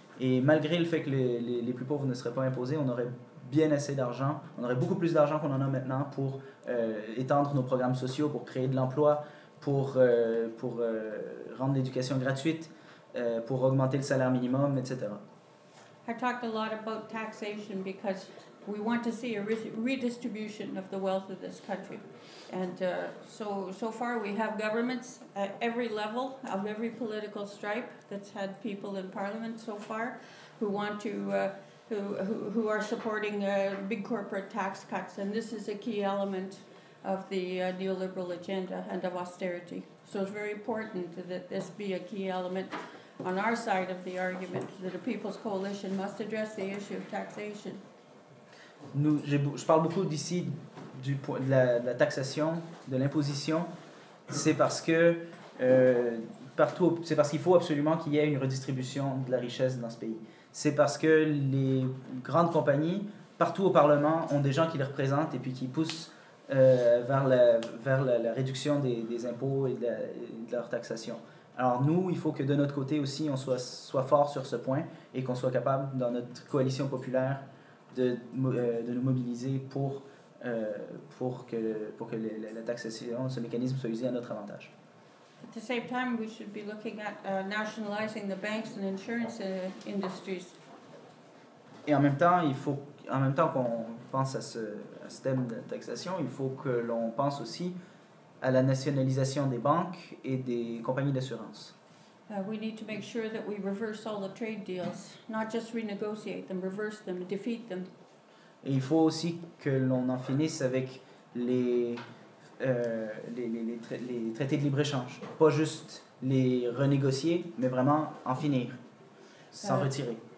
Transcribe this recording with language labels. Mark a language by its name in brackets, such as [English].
[French] Et malgré le fait que les plus pauvres ne seraient pas imposés, on aurait bien assez d'argent. On aurait beaucoup plus d'argent qu'on en a maintenant pour étendre nos programmes sociaux, pour créer de l'emploi, pour rendre l'éducation gratuite, pour augmenter le salaire minimum, etc. [English] I talked a lot about taxation because we want to see a redistribution of the wealth of this country. And so far we have governments at every level of every political stripe that's had people in parliament so far who want to who are supporting big corporate tax cuts, and this is a key element of the neoliberal agenda and of austerity. So it's very important that this be a key element on our side of the argument, that a people's coalition must address the issue of taxation. [French] Je parle beaucoup d'ici de la taxation, de l'imposition. C'est parce que partout, c'est parce qu'il faut absolument qu'il y ait une redistribution de la richesse dans ce pays. C'est parce que les grandes compagnies partout au Parlement ont des gens qui les représentent et puis qui poussent vers la réduction des impôts et de leur taxation. Alors nous, il faut que de notre côté aussi, on soit fort sur ce point et qu'on soit capable, dans notre coalition populaire, de nous mobiliser pour que la taxation, ce mécanisme soit usé à notre avantage. [English] At the same time, we should be looking at nationalizing the banks and insurance industries. [French] Et en même temps, qu'on pense à ce thème de taxation, il faut que l'on pense aussi à la nationalisation des banques et des compagnies d'assurance. [English] We need to make sure that we reverse all the trade deals, not just renegotiate them, reverse them, defeat them. [French] Et il faut aussi que l'on en finisse avec les traités de libre-échange, pas juste les renégocier, mais vraiment en finir, s'en retirer.